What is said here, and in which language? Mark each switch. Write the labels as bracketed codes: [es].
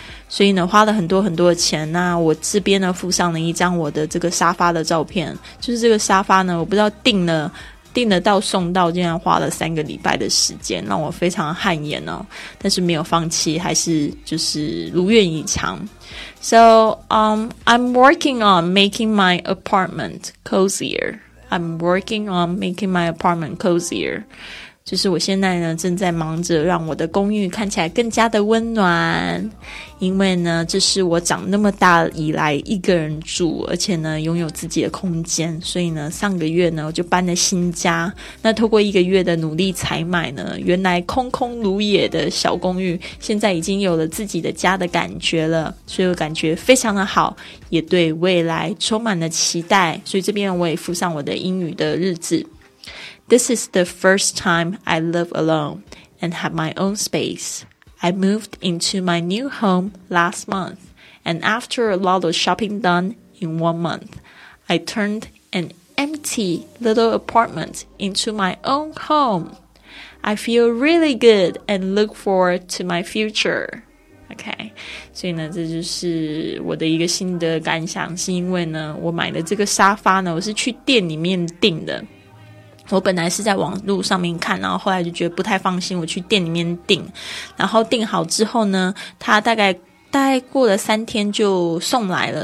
[zh] 所以呢花了很多很多的钱。那我这边呢附上了一张我的这个沙发的照片，就是这个沙发呢我不知道订了订得到送到竟然花了三个礼拜的时间，让我非常汗颜哦，但是没有放弃，还是就是如愿以偿。 [en] So I'm working on making my apartment cozier. I'm working on making my apartment cozier. [zh] 就是我现在呢正在忙着让我的公寓看起来更加的温暖，因为呢这是我长那么大以来一个人住，而且呢拥有自己的空间，所以呢上个月呢我就搬了新家。那透过一个月的努力采买呢，原来空空如也的小公寓现在已经有了自己的家的感觉了，所以我感觉非常的好，也对未来充满了期待。所以这边我也附上我的英语的日志。 [en] This is the first time I live alone and have my own space. I moved into my new home last month, and after a lot of shopping done in 1 month, I turned an empty little apartment into my own home. I feel really good and look forward to my future. [zh] Okay, 所以呢，这就是我的一个心得感想，是因为呢，我买的这个沙发呢，我是去店里面订的。我本来是在网络上面看，然后后来就觉得不太放心，我去店里面订，然后订好之后呢，他大概过了3天就送来了。